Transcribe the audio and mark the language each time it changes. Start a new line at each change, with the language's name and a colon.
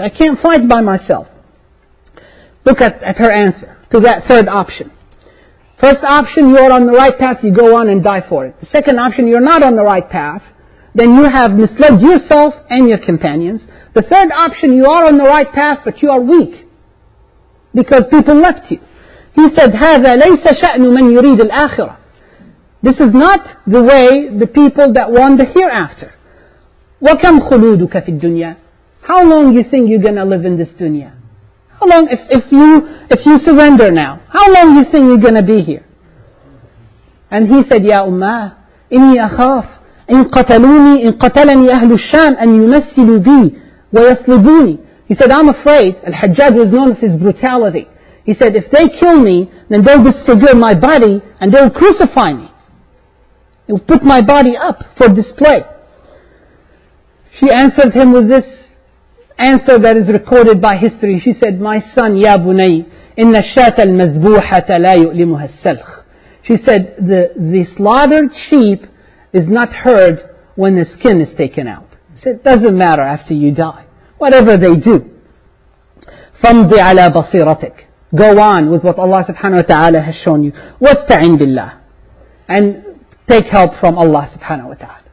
English: I can't fight by myself. Look at her answer to that third option. First option, you're on the right path, you go on and die for it. The second option, you're not on the right path, then you have misled yourself and your companions. The third option, you are on the right path, but you are weak because people left you. He said,
Arabic: هَذَا لَيْسَ شَأْنُ مَنْ يُرِيدُ الْآخِرَةِ.
English: This is not the way the people that want the hereafter.
Arabic: وَكَمْ خُلُودُكَ فِي الدُّنْيَا.
English: How long you think you're going to live in this dunya? How long, if you surrender now, how long you think you're going to be here? And he said,
Arabic: يَا أُمَّا إِنِّي أَخَافُ إِنْ قَتَلُونِي إِنْ قَتَلَنِي أَهْلُ الشَّامِ أَنْ يُمَثِّلُوا بِي وَيَصْلِبُونِي.
English: He said, I'm afraid. Al-Hajjaj was known for his brutality. He said, if they kill me, then they'll disfigure my body and they'll crucify me. They'll put my body up for display. She answered him with this answer that is recorded by history. She said, my son,
Arabic: يَا بُنَيْ إِنَّ الشَّاتَ الْمَذْبُوحَةَ لَا يُؤْلِمُهَا السَّلْخ.
English: She said, the slaughtered sheep is not heard when the skin is taken out. She said, it doesn't matter after you die. Whatever they do.
Arabic: فَمْضِ عَلَى بَصِيرَتِكَ.
English: Go on with what Allah subhanahu wa ta'ala has shown you.
Arabic: وَاسْتَعِنْ بِاللَّهِ.
English: And take help from Allah subhanahu wa ta'ala.